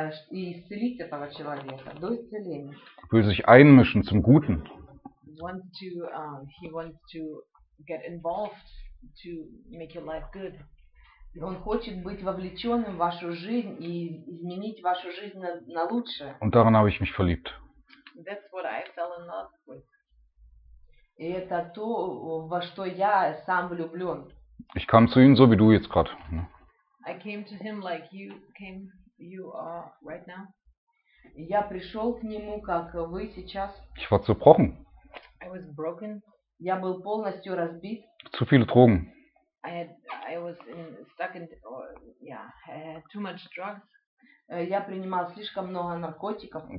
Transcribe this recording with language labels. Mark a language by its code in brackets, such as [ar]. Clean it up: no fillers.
[ru] И исцелить этого человека до исцеления. [de] Will sich einmischen zum Guten. [en] He wants to get involved to make your life good. [ru] И он хочет быть вовлеченным в вашу жизнь и изменить вашу жизнь на лучшее. [de] Und daran habe ich mich verliebt. [en] That's what I fell in love with. [ru] И это то, во что я сам влюблен. [de] Ich kam zu ihm so wie du jetzt gerade. [en] I came to him like you came, you are right now. [ru] Я пришел к нему, как вы сейчас. [de] Ich war zerbrochen. [en] I was broken. [ru] Я был полностью разбит. [de] Zu viele Drogen. [en] I had too much drugs. [ru] Я принимал слишком много наркотиков.